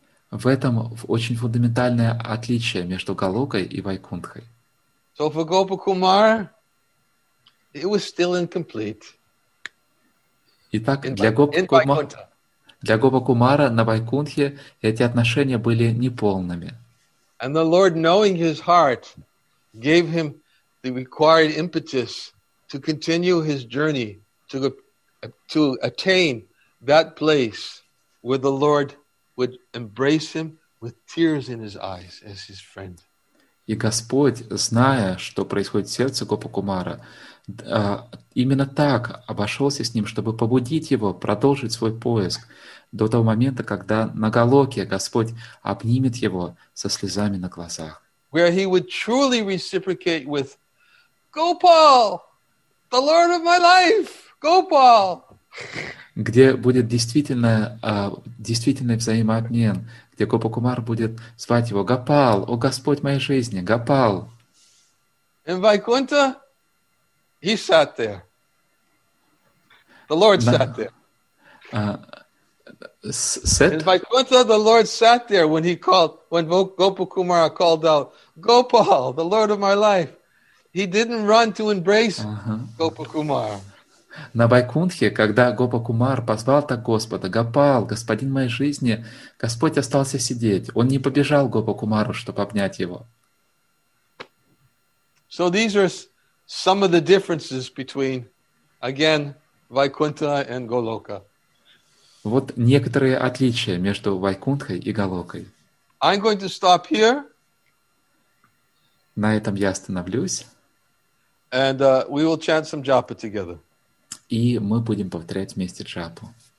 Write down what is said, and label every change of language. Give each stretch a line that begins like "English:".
Russian: В этом очень фундаментальное отличие между Голокой и Вайкунтхой.
English: So for Gopakumara, it was still incomplete.
Russian: Итак, для Гопакумара на Вайкунтхе эти отношения были неполными.
English: And the Lord, knowing his heart, gave him the required impetus to continue his journey to attain that place where the Lord would embrace him with tears in his eyes as his friend.
Russian: И Господь, зная, что происходит в сердце Гопакумара, именно так обошелся с ним, чтобы побудить его продолжить свой поиск до того момента, когда на Голоке Господь обнимет его со слезами на глазах.
English: Where he would truly reciprocate with Gopal, the Lord of my life, Gopal.
Russian: Где будет действительный взаимообмен, где Гопакумар будет звать его Гопал, о Господь моей жизни, Гопал.
English: In Vaikuntha, he sat there. The Lord sat there. Sat? In Vaikuntha, the Lord sat there when Gopakumara called out, Gopal, the Lord of my life. He didn't run to embrace Gopakumara.
Russian: На Вайкунтхе, когда Гопакумар позвал так Господа, Гопал, Господин моей жизни, Господь остался сидеть. Он не побежал к Гопакумару, чтобы обнять его.
English: So these are some of the differences between, again, Vaikuntha and Goloka.
Russian: Вот некоторые отличия между Вайкунтхой и Голокой.
English: I'm going to stop here.
Russian: На этом я остановлюсь.
English: And we will chant some japa together.
Russian: И мы будем повторять вместе джапу.